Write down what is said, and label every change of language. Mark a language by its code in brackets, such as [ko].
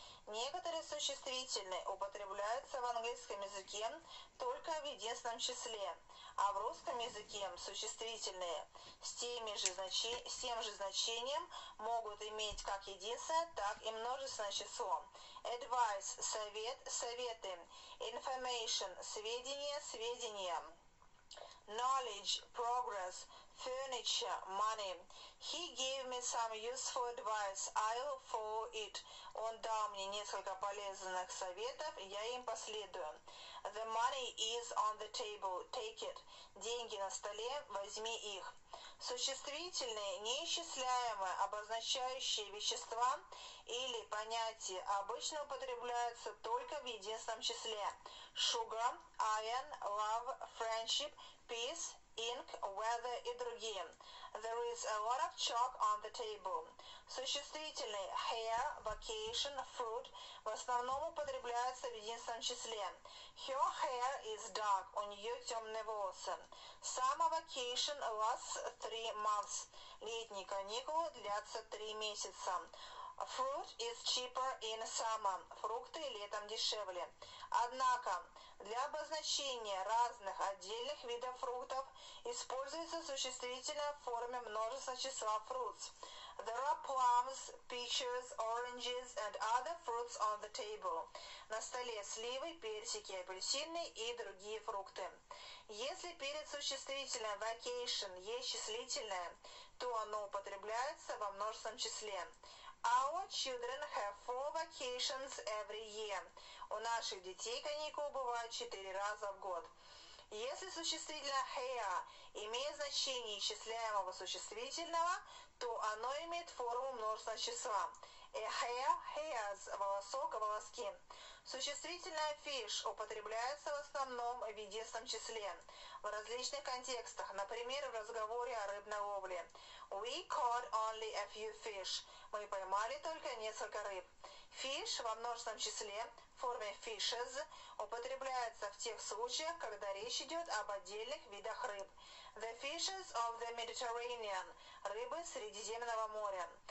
[ru] Некоторые существительные употребляются в английском языке только в единственном числе, а в русском языке существительные с тем же значением могут иметь как единственное, так и множественное число. Advice – совет, советы. Information – сведения, сведения. [en] Knowledge – progress. Furniture, money. He gave me some useful advice. I'll follow it. [ru] Он дал мне несколько полезных советов, я им последую. [en] The money is on the table. Take it. [ru] Деньги на столе, возьми их. Существительные, неисчисляемые, обозначающие вещества или понятия, обычно употребляются только в единственном числе. [en] Sugar, iron, love, friendship, peace, ink, weather [ru] и другие. [en] There is a lot of chalk on the table. [ru] Существительные hair, vacation, fruit в основном употребляются в единственном числе. [en] Her hair is dark. [ru] У нее темные волосы. [en] Summer vacation lasts 3 months. [ru] Летние каникулы длятся 3 месяца. [en] Fruit is cheaper in summer. [ru] Фрукты летом дешевле. Однако, для обозначения разных отдельных видов фруктов используется существительное в форме множественного числа fruits. [en] There are plums, peaches, oranges and other fruits on the table. [ru] На столе сливы, персики, апельсины и другие фрукты. Если перед существительным vacation есть числительное, то оно употребляется во множественном числе. [en] Our children have 4 vacations every year. [ru] У наших детей каникул бывает 4 раза в год. Если существительное hair имеет значение исчисляемого существительного, то оно имеет форму множественного числа. [en] A hair, hairs, [ru] волосок, волоски. Существительное fish употребляется в основном в единственном числе. В различных контекстах, например, в разговоре о рыбной ловле. [en] We caught only a few fish. [ru] Мы поймали только несколько рыб. Fish во множественном числе в форме fishes употребляется в тех случаях, когда речь идет об отдельных видах рыб. [en] The fishes of the Mediterranean – [ru] рыбы Средиземного моря.